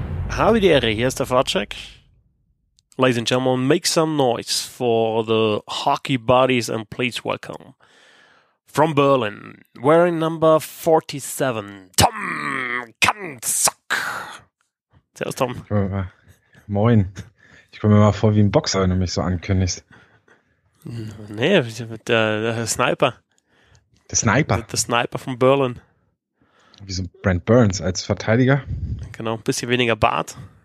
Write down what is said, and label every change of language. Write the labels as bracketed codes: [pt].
[de] Habe die Ehre, hier ist der Sportcheck. [en] Ladies and gentlemen, make some noise for the hockey buddies and please welcome from Berlin, wearing number 47, Tom Kanzuk. [de] Servus, Tom. Moin. Ich komme mir mal vor wie ein Boxer, wenn du mich so ankündigst. Nee, der Sniper. Der Sniper? Der Sniper von Berlin. Wie so Brent Burns als Verteidiger. Genau, ein bisschen weniger Bart.